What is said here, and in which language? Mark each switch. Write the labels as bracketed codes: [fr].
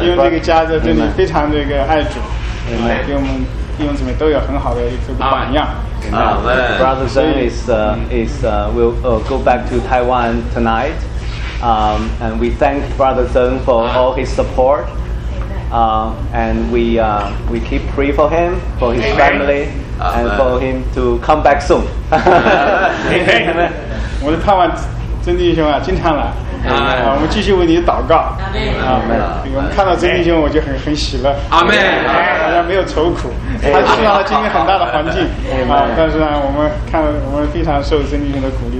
[zh] 因为这个家在这里非常这个爱主。 [en] Amen. [zh] 给我们。弟兄姊妹都有很好的一个榜样。 [en] Amen. Brothers and is will go back to Taiwan tonight. And we thank Brother Zeng for all his support. And we keep pray for him, for his family, and for him to come back soon. Amen. [zh] 我就盼望曾弟兄经常来。啊，我们继续为你祷告。阿门。我们看到这弟兄，我就很喜乐。阿门。好像没有愁苦，他去了经历很大的环境啊，但是呢，我们看我们非常受这弟兄的鼓励。